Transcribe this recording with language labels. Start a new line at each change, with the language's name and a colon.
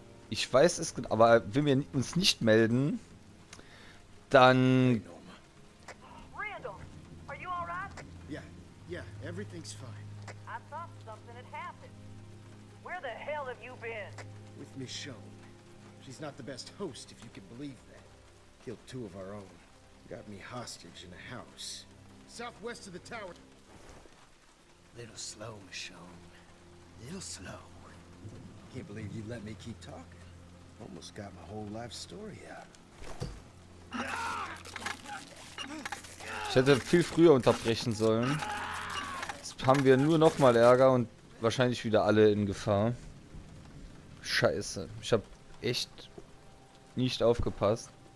German: Ich weiß es, aber wenn wir uns nicht melden, dann...
English: Randall, are you alright? Yeah, yeah, everything's fine. I thought something had happened. Where the hell have you been? With Michonne. She's not the best host, if you can believe that. Killed two of our own. Got me hostage in a house. Southwest of the tower. Little slow, Michonne. Little slow. Can't believe you let me keep talking. Almost got my whole life story out.
German: Ich hätte viel früher unterbrechen sollen. Jetzt haben wir nur noch mal Ärger und wahrscheinlich wieder alle in Gefahr. Scheiße. Ich hab echt nicht aufgepasst.